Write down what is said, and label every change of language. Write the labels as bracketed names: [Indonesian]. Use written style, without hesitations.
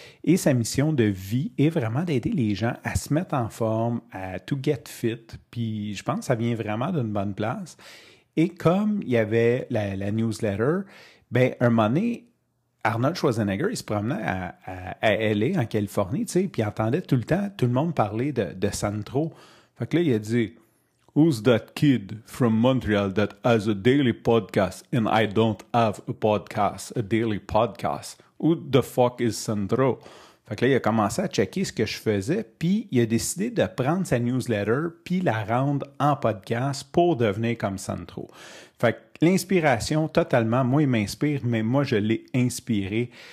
[French] Et sa mission de vie est vraiment d'aider les gens à se mettre en forme, à « [English] to get fit ». [French] Puis je pense que ça vient vraiment d'une bonne place. Et comme il y avait la newsletter, bien, un moment donné, Arnold Schwarzenegger, il se promenait à LA, en Californie, tu sais, puis il entendait tout le temps tout le monde parler de Santro. Fait que là, il a dit [English] « Who's that kid from Montreal that has a daily podcast and I don't have a podcast, a daily podcast? Who the fuck is Sandro? [French] » Fait que là, il a commencé à checker ce que je faisais, puis il a décidé de prendre sa newsletter puis la rendre en podcast pour devenir comme Sandro. Fait que l'inspiration, totalement, moi, il m'inspire, mais moi, je l'ai inspiré.